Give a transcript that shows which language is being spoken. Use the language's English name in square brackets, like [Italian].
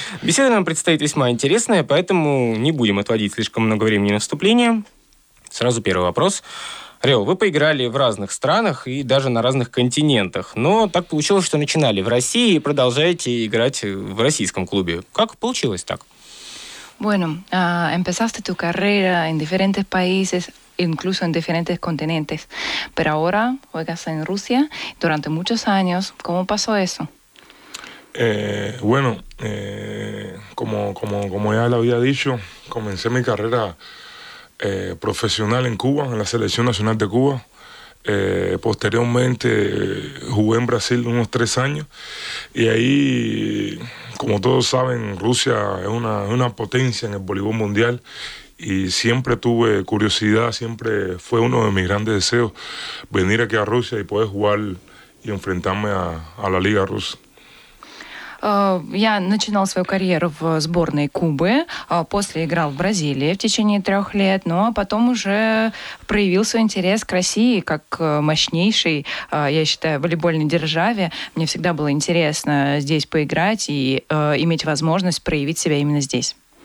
[Russian] Беседа нам предстоит весьма интересная, поэтому не будем отводить слишком много времени на вступление. Сразу первый вопрос. Орел, вы поиграли в разных странах и даже на разных континентах, но так получилось, что начинали в России и продолжаете играть в российском клубе. Как получилось так? [Spanish] Bueno, empezaste tu carrera en diferentes países, incluso en diferentes continentes, pero ahora juegas en Rusia durante muchos años. ¿Cómo pasó eso? Bueno, como ya lo había dicho, comencé mi carrera profesional en Cuba, en la Selección Nacional de Cuba. Posteriormente jugué en Brasil unos 3 años y ahí, como todos saben, Rusia es una potencia en el voleibol mundial y siempre tuve curiosidad, siempre fue uno de mis grandes deseos venir aquí a Rusia y poder jugar y enfrentarme a la Liga Rusa. [Russian] Я начинал свою карьеру в сборной Кубы, после играл в Бразилии в течение 3 лет, ну а потом уже проявил свой интерес к России как мощнейшей, я считаю, волейбольной державе. Мне всегда было интересно здесь поиграть и иметь возможность проявить себя именно здесь.